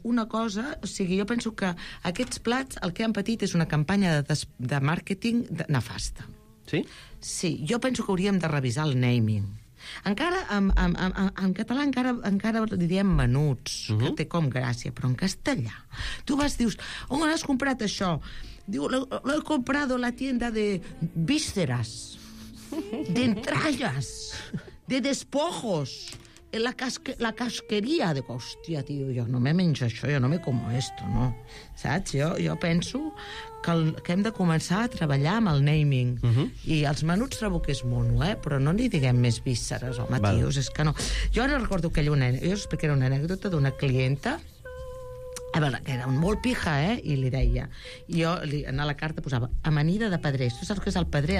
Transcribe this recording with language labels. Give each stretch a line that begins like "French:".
Catalan: Una cosa, o sigui, jo penso que aquests plats, el que han patit és una campanya de màrqueting nefasta. Sí? Sí. Jo penso que hauríem de revisar el naming. Encara, en català encara diríem menuts, que té com gràcia, però en castellà... Tu vas, dius, on has comprat això? Diu,
Spanish: l'he comprado a la tienda de vísceras, de entrañas, de despojos, en la casquería.
Catalan: Dic, hòstia, tio, jo no me menjo això,
Spanish: jo no me como esto,
Catalan: no? Saps? Jo penso que hem de començar a treballar amb el naming. I els menuts trobo que és mono, però no n'hi diguem més vísceres, home, tios, és que no. Jo ara recordo aquella una anècdota d'una clienta, a veure, que era molt pija, i li deia, jo en la carta posava amanida de pedrer. Tu saps què és el pedrer?